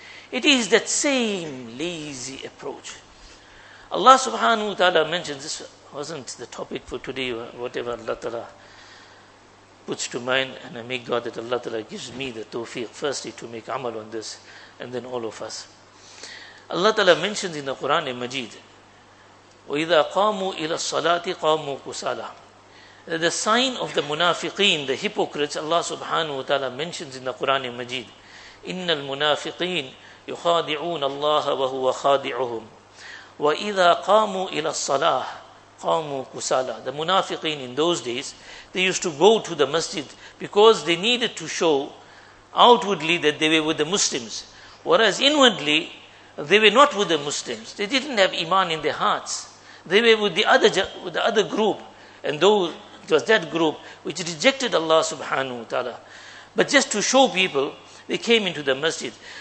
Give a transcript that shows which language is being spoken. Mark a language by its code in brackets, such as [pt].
[en] It is that same lazy approach. Allah subhanahu wa ta'ala mentions, this wasn't the topic for today, whatever Allah ta'ala puts to mind, and I make dua that Allah ta'ala gives me the tawfiq, firstly to make amal on this, and then all of us. Allah ta'ala mentions in the Quran and Majid, [ar] وَإِذَا قَامُوا إِلَى الصَّلَاةِ قَامُوا كُسَالَى. [en] The sign of the munafiqeen, the hypocrites, Allah subhanahu wa ta'ala mentions in the Quran and Majid, [ar] إِنَّ الْمُنَافِقِينَ يخادعون الله وهو خادعهم وإذا قاموا إلى الصلاة قاموا كسالى. [en] The munafiqeen in those days, they used to go to the masjid because they needed to show outwardly that they were with the Muslims, whereas inwardly they were not with the Muslims. They didn't have iman in their hearts. They were with the other group, and though it was that group which rejected Allah subhanahu wa ta'ala, but just to show people, they came into the masjid.